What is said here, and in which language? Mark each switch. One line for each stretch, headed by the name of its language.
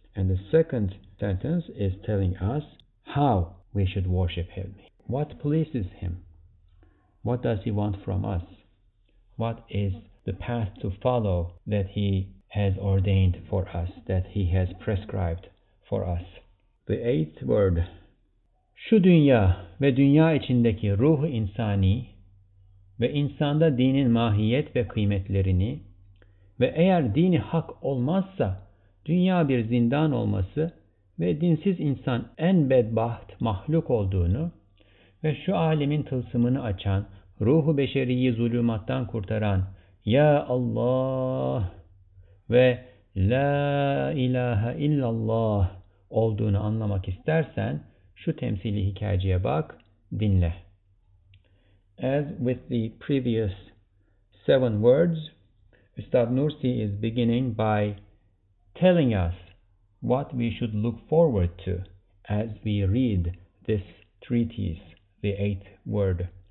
English: And the second sentence is telling us how we should worship Him. What pleases Him? What does He want from us? What is the path to follow that He has ordained for us, that He has prescribed for us? The 8th word.
Turkish: Şu dünya ve dünya içindeki ruh insani ve insanda dinin mahiyet ve kıymetlerini ve eğer dini hak olmazsa dünya bir zindan olması ve dinsiz insan en bedbaht mahluk olduğunu ve şu alemin tılsımını açan, ruhu beşeriyi zulümattan kurtaran Ya Allah ve La ilahe illallah olduğunu anlamak istersen şu temsili hikayeciye bak, dinle.
English: As with the previous 7 words, Üstad Nursi is beginning by telling us what we should look forward to as we read this treatise, the 8th word.